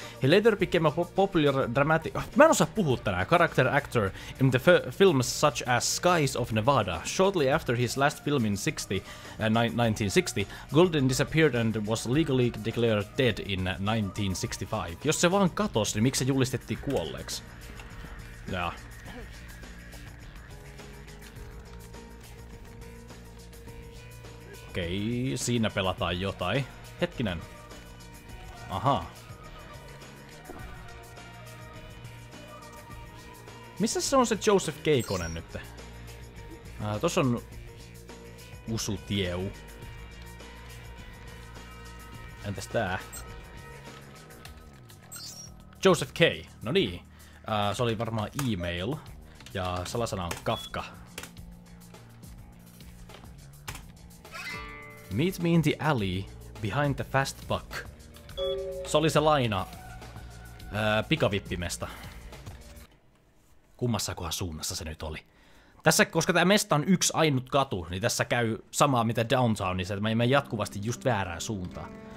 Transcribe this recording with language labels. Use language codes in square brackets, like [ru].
[en] He later became a popular dramatic... [fi] Mä en osaa puhua tänään. [en] Character actor in the films such as Skies of Nevada. Shortly after his last film in 1960, Golden disappeared and was legally declared dead in 1965. [fi] Jos se vaan katosi, niin miksi se julistettiin kuolleeksi? Jaa. Okei, siinä pelataan jotain. Hetkinen. Aha. Missä se on se Joseph Keikonen nytte? Tossa on... Usu Tieu. Entäs tää? Joseph K. No niin. Se oli varmaan email. Ja salasana on Kafka. [en] Meet me in the alley behind the fast buck. [fi] Se oli se laina pikavippimestä. Kummassakohan suunnassa se nyt oli. Tässä, koska tämä mesta on yksi ainut katu, niin tässä käy samaa mitä downtownissa, että mä jatkuvasti just väärään suuntaan.